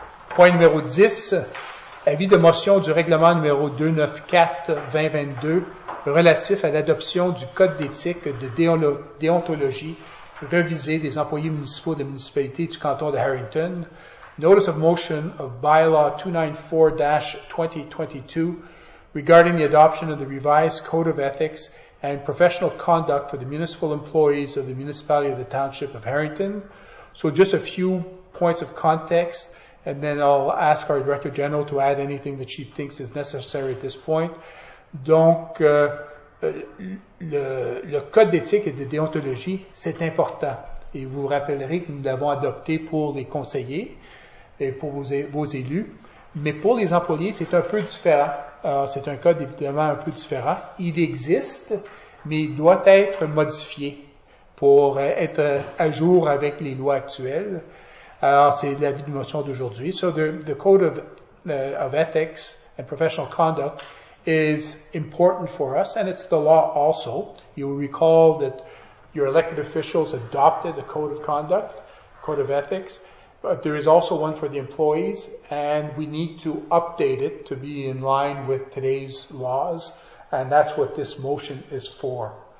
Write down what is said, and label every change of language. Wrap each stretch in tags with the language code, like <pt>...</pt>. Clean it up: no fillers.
<fr>Point numéro 10, avis de motion du règlement numéro 294-2022 relatif à l'adoption du code d'éthique de déontologie revisé des employés municipaux de municipalité du canton de Harrington.</fr> <en>Notice of motion of bylaw 294-2022 regarding the adoption of the revised code of ethics and professional conduct for the municipal employees of the municipality of the township of Harrington. So just a few points of context, and then I'll ask our director general to add anything that she thinks is necessary at this point.</en> <fr>Donc, le code d'éthique et de déontologie, c'est important. Et vous vous rappellerez que nous l'avons adopté pour les conseillers et pour vos élus. Mais pour les employés, c'est un peu différent. Alors, c'est un code évidemment un peu différent. Il existe, mais il doit être modifié pour être à jour avec les lois actuelles. Alors, c'est l'avis de motion d'aujourd'hui.</fr> <en>So, the code of ethics and professional conduct is important for us, and it's the law also. You will recall that your elected officials adopted the code of conduct, code of ethics, but there is also one for the employees, and we need to update it to be in line with today's laws, and that's what this motion is for.</en>